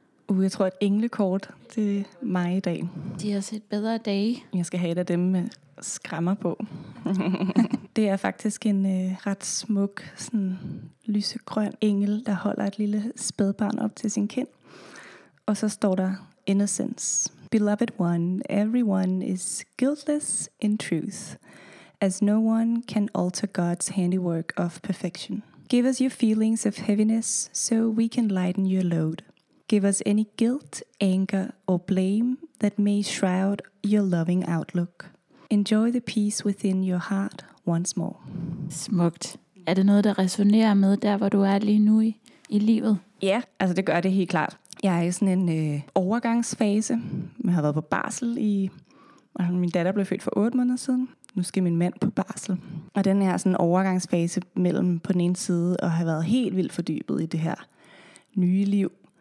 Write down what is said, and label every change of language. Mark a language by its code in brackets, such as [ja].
[da] Jeg tror, at englekort, det er mig i dag. De har set bedre dage. Jeg skal have et af dem med skræmmer på. Det er faktisk en ret smuk, sådan lysegrøn engel, der holder et lille spædbarn op til sin kind. Og så står der innocence. [en] Beloved one, everyone is guiltless in truth, as no one can alter God's handiwork of perfection. Give us your feelings of heaviness, so we can lighten your load. Give us any guilt, anger, or blame that may shroud your loving outlook. Enjoy the peace within your heart once more. [da] Smukt. Er det noget, der resonerer med der, hvor du er lige nu i livet? Ja, altså det gør det helt klart. Jeg er i sådan en overgangsfase. Jeg har været på barsel i... Min datter blev født for 8 måneder siden. Nu skal min mand på barsel. Og den her sådan overgangsfase mellem på den ene side og have været helt vildt fordybet i det her nye liv.